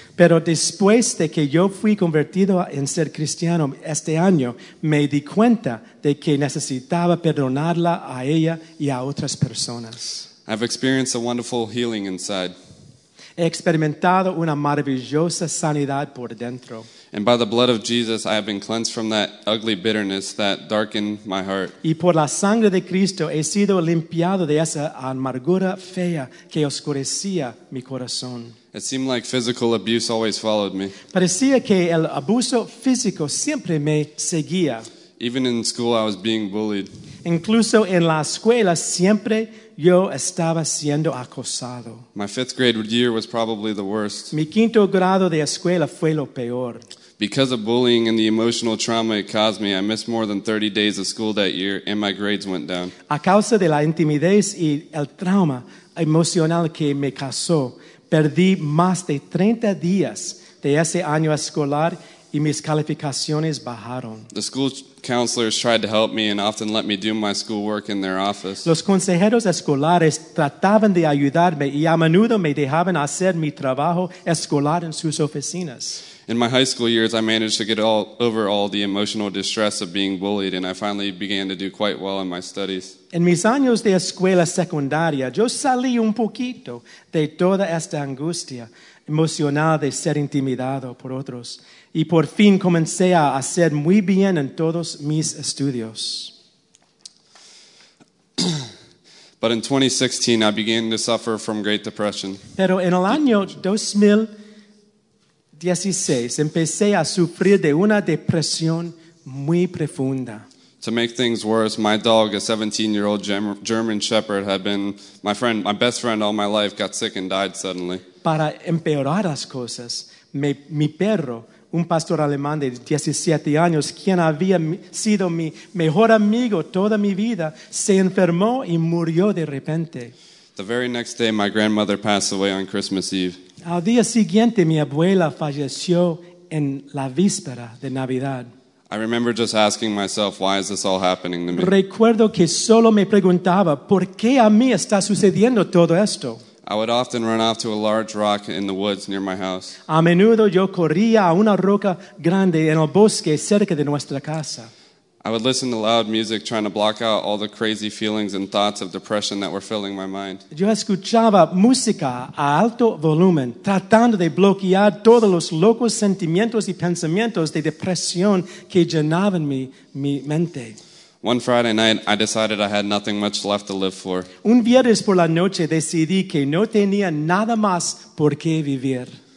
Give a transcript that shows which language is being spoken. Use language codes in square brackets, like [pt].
[es] Pero después de que yo fui convertido en ser cristiano este año, me di cuenta de que necesitaba perdonarla a ella y a otras personas. [en] I've experienced a wonderful healing inside. [es] He experimentado una maravillosa sanidad por dentro. [en] And by the blood of Jesus, I have been cleansed from that ugly bitterness that darkened my heart. [es] Y por la sangre de Cristo he sido limpiado de esa amargura fea que oscurecía mi corazón. [en] It seemed like physical abuse always followed me. [es] Parecía que el abuso físico siempre me seguía. [en] Even in school, I was being bullied. [es] Incluso en la escuela, siempre yo estaba siendo acosado. [en] My fifth grade year was probably the worst. [es] Mi quinto grado de escuela fue lo peor. [en] Because of bullying and the emotional trauma it caused me, I missed more than 30 days of school that year, and my grades went down. [es] A causa de la intimidez y el trauma emocional que me causó, perdí más de 30 días de ese año escolar, y mis calificaciones bajaron. [en] The school counselors tried to help me and often let me do my schoolwork in their office. [es] Los consejeros escolares trataban de ayudarme y a menudo me dejaban hacer mi trabajo escolar en sus oficinas. [en] In my high school years, I managed to get over all the emotional distress of being bullied, and I finally began to do quite well in my studies. [es] En mis años de escuela secundaria, yo salí un poquito de toda esta angustia emocional de ser intimidado por otros. Y por fin comencé a hacer muy bien en todos mis estudios. [en] But in 2016, I began to suffer from Great Depression. [es] Pero en el año 2000, 16, empecé a sufrir de una depresión muy profunda. [en] To make things worse, my dog, a 17-year-old German Shepherd, had been my friend, my best friend all my life, got sick and died suddenly. [es] Para empeorar las cosas, mi perro, un pastor alemán de 17 años, quien había sido mi mejor amigo toda mi vida, se enfermó y murió de repente. [en] The very next day, my grandmother passed away on Christmas Eve. [es] Al día siguiente, mi abuela falleció en la víspera de Navidad. [en] I remember just asking myself, why is this all happening to me? [es] Recuerdo que solo me preguntaba, ¿por qué a mí está sucediendo todo esto? [en] I would often run off to a large rock in the woods near my house. [es] A menudo yo corría a una roca grande en el bosque cerca de nuestra casa. [en] I would listen to loud music, trying to block out all the crazy feelings and thoughts of depression that were filling my mind. [es] Yo escuchaba música a alto volumen, tratando de bloquear todos los locos sentimientos y pensamientos de depresión que llenaban mi mente. [en] One Friday night, I decided I had nothing much left to live for. [es] Un viernes por la noche decidí que no tenía nada más por qué vivir.